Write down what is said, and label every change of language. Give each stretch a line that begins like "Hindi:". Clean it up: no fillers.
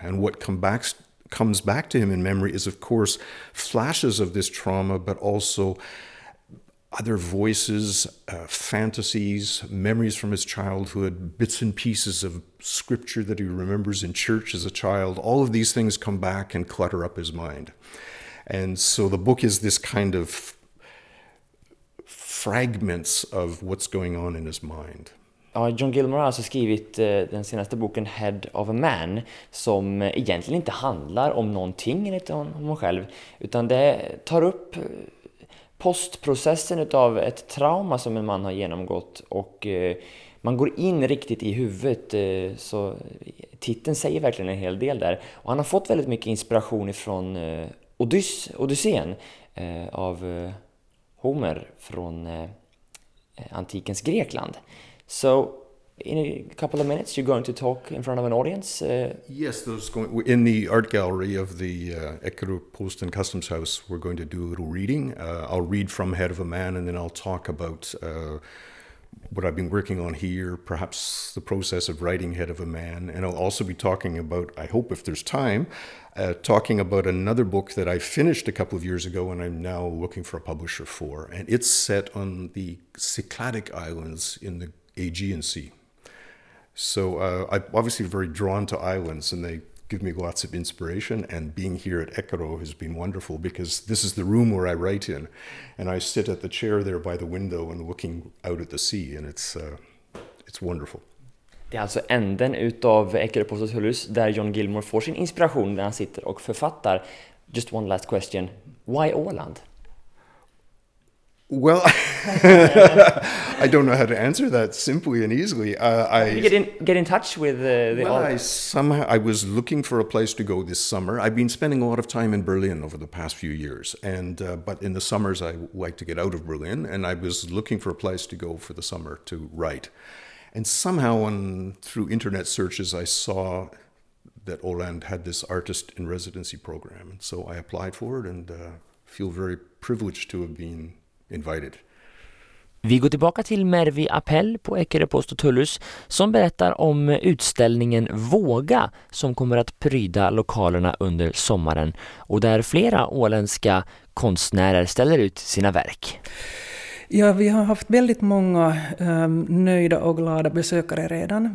English: And what comes back to him in memory is, of course, flashes of this trauma, but also other voices, fantasies, memories from his childhood, bits and pieces of scripture that he remembers in church as a child. All of these things come back and clutter up his mind. And so the book is this kind of fragments of what's going on in his mind.
Swedish: Ja, John Gilmore har alltså skrivit den senaste boken Head of a Man som egentligen inte handlar om någonting enligt honom själv utan det tar upp postprocessen av ett trauma som en man har genomgått och man går in riktigt i huvudet så titeln säger verkligen en hel del där och han har fått väldigt mycket inspiration ifrån Odysseen av Homer från antikens Grekland.
English: So in a couple of minutes you're going to talk in front of an audience. Yes, those going in the art gallery of the Ekeru Post and Customs House. We're going to do a little reading. I'll read from Head of a Man and then I'll talk about what I've been working on here, perhaps the process of writing Head of a Man. And I'll also be talking about, I hope if there's time, talking about another book that I finished a couple of years ago and I'm now looking for a publisher for. And it's set on the Cycladic Islands in the Aegean Sea. So I'm obviously very drawn to islands and they give me lots of inspiration. And being here at Ekeru has been wonderful because this is the room where I write in. And I sit at the chair there by the window and looking out at the sea. And it's wonderful.
Swedish: Det är alltså änden utav Ekerö posthus där John Gilmore får sin inspiration när han sitter och författar.
English: Just one last question. Why Åland? Well, I don't know how to answer that simply and easily. I was looking for a place to go this summer. I've been spending a lot of time in Berlin over the past few years, but in the summers I like to get out of Berlin, and I was looking for a place to go for the summer to write. And somehow through internet searches, I saw that Åland had this artist in residency program. And so I applied for it and feel very privileged to have been invited.
Swedish: Vi går tillbaka till Mervi Appell på Ekerö Post och Tullhus som berättar om utställningen Våga som kommer att pryda lokalerna under sommaren och där flera åländska konstnärer ställer ut sina verk. Ja, vi har haft väldigt många nöjda och glada besökare redan.